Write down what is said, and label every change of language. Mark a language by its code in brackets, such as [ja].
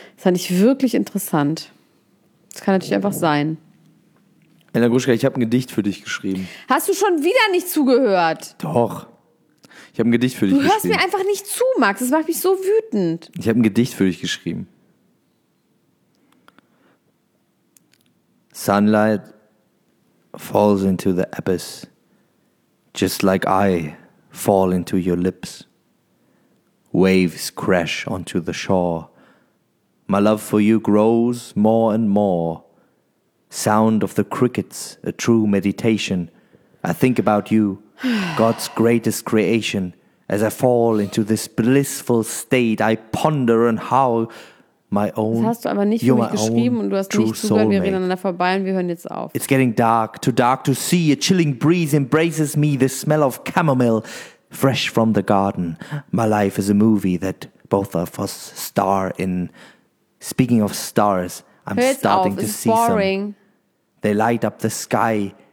[de] Das fand ich wirklich interessant. Das kann natürlich einfach sein. Elena Gruschka, ich habe ein Gedicht für dich geschrieben. Hast du schon wieder nicht zugehört? Doch. Ich habe ein Gedicht für dich geschrieben. Du hörst mir einfach nicht zu, Max. Das macht mich so wütend. Ich habe ein Gedicht für dich geschrieben. [en] Sunlight falls into the abyss, just like I fall into your lips. Waves crash onto the shore. My love for you grows more and more. Sound of the crickets, a true meditation. I think about you, God's greatest creation. As I fall into this blissful state, I ponder on how my own. [de] Das hast du aber nicht für mich geschrieben und du hast nicht zugehört. Wir reden aneinander vorbei und wir hören jetzt auf. [en] It's getting dark to see. A chilling breeze embraces me. The smell of chamomile, fresh from the garden. My life is a movie that both of us star in. Speaking of stars, I'm starting to see some. They light up the sky.